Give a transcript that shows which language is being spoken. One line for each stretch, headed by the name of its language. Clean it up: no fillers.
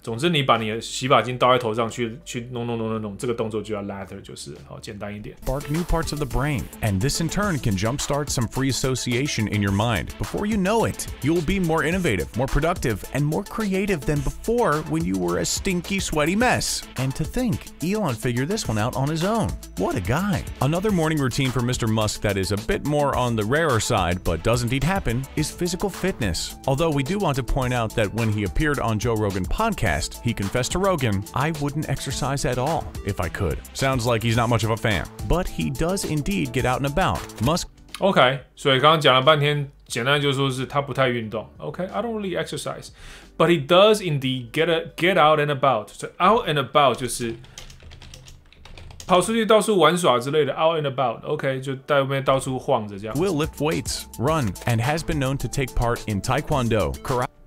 Chinese: 总之你把你的洗发精倒在头上去弄，这个动作就要 lather， 就是好简单一点。
English: Spark new parts of the brain, and this in turn can jumpstart some free association in your mind. Before you know it, you'll be more innovative, more productive, and more creative than before when you were a stinky, sweaty mess. And to think, Elon figured this one out on his own. What a guy! Another morning routine for Mr. Musk that is a bit more on the rarer side, but does indeed happen, is physical fitness. Although we do want to point out that when he appeared on Joe Rogan podcast, he confessed to Rogan, I wouldn't exercise at all if I could. Sounds like he's not much of a fan. But he does indeed get out and about. Musk.
Chinese: OK, 所以刚刚讲了半天，简单就是说是他不太运动。
English: OK, I don't really exercise. But he does indeed get out and about.
Chinese: So out and about 就是跑出去到处玩耍之类的 ，out and about， OK， 就在外面到处晃着这样。
English: Will lift weights, run, and has been known to take part in Taekwondo, karate.